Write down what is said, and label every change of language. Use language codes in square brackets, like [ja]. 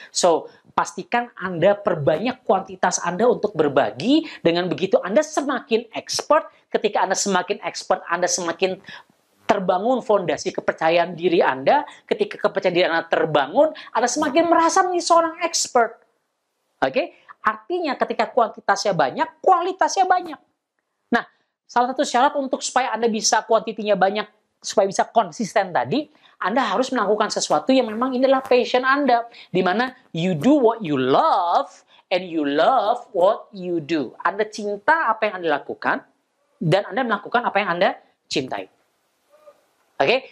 [id] So, pastikan Anda perbanyak kuantitas Anda untuk berbagi, dengan begitu Anda semakin expert, ketika Anda semakin expert, Anda semakin terbangun fondasi kepercayaan diri Anda, ketika kepercayaan diri Anda terbangun, Anda semakin merasa menjadi seorang expert. Oke? Okay? Artinya ketika kuantitasnya banyak, kualitasnya banyak. Nah, salah satu syarat untuk supaya Anda bisa kuantitinya banyak, supaya bisa konsisten tadi, Anda harus melakukan sesuatu yang memang inilah passion Anda. Di mana [en] you do what you love, and you love what you do. [id] Anda cinta apa yang Anda lakukan, dan Anda melakukan apa yang Anda cintai. Oke, okay?